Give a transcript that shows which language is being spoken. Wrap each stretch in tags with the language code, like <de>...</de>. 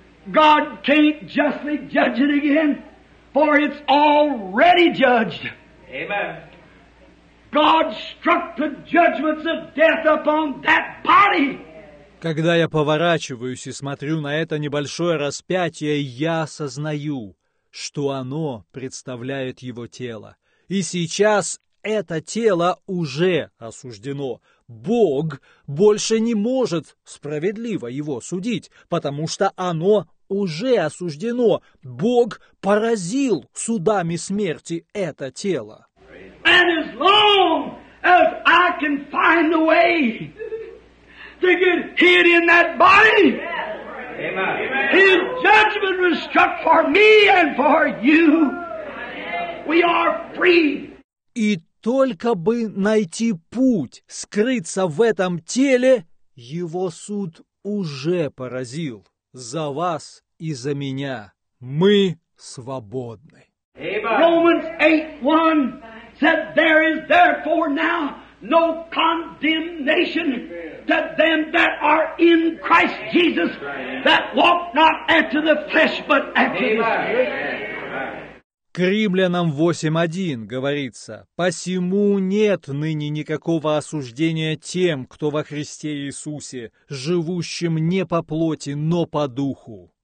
<en>God can't justly judge it again, for it's already judged. Amen. God struck the judgments of death upon that body.</en> <ru>Когда я поворачиваюсь и смотрю на это небольшое распятие, я осознаю, что оно представляет его тело. И сейчас это тело уже осуждено. Бог больше не может справедливо его судить, потому что оно уже осуждено. Бог поразил судами смерти это тело.</ru> <en>And as long as I can find a way to get hid in that body, his judgment was struck for me and for you. We are free.</en> <ru>И только бы найти путь скрыться в этом теле, его суд уже поразил за вас и за меня. Мы свободны.</ru> <en>Romans 8:1 said, there is therefore now no condemnation to them that are in Christ Jesus, that walk not after the flesh, but after the Spirit.</en> <ru>К Римлянам 8:1 говорится, «Посему нет ныне никакого осуждения тем, кто во Христе Иисусе, живущим не по плоти, но по духу».</ru>